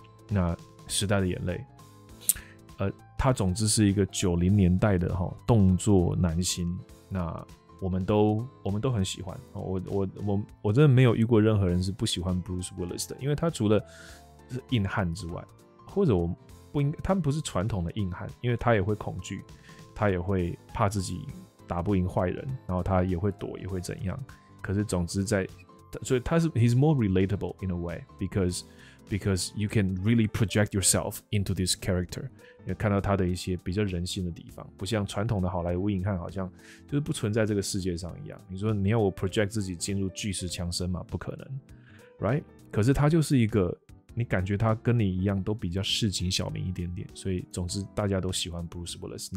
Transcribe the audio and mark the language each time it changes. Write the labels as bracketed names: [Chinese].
[Chinese] 那时代的眼泪，他总之是一个90年代的动作男星，那我们都很喜欢。我真的没有遇过任何人是不喜欢 Bruce Willis 的，因为他除了是硬汉之外，或者我不应他们不是传统的硬汉，因为他也会恐惧，他也会怕自己打不赢坏人，然后他也会躲，也会怎样。可是总之在，所以他是 [English] he's more relatable in a way because you can really project yourself into this character。 [Chinese] 也看到他的一些比较人性的地方，不像传统的好莱坞影汉好像就是不存在这个世界上一样。你说你要我 project 自己进入巨石强森吗？不可能 ，right？可是他就是一个，你感觉他跟你一样都比较市井小民一点点，所以总之大家都喜欢 Bruce Willis。